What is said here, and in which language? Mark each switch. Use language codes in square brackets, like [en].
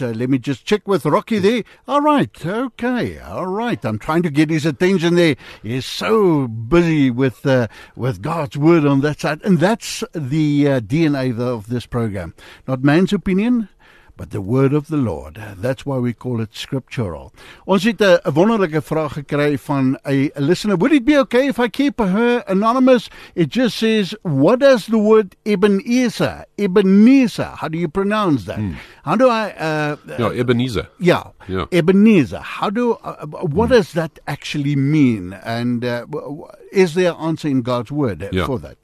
[en] Let me just check with Rocky there. All right. Okay. All right. I'm trying to get his attention there. He's so busy with God's word on that side. And that's the DNA of this program. Not man's opinion, but the word of the Lord. That's why we call it scriptural. [af] Ons het 'n wonderlike vraag gekry van 'n listener. [en] Would it be okay if I keep her anonymous? It just says, what does the word Ebenezer, how do you pronounce that? How do I... Ebenezer. Yeah. Ebenezer. How do... what does that actually mean? And is there an answer in God's word for that?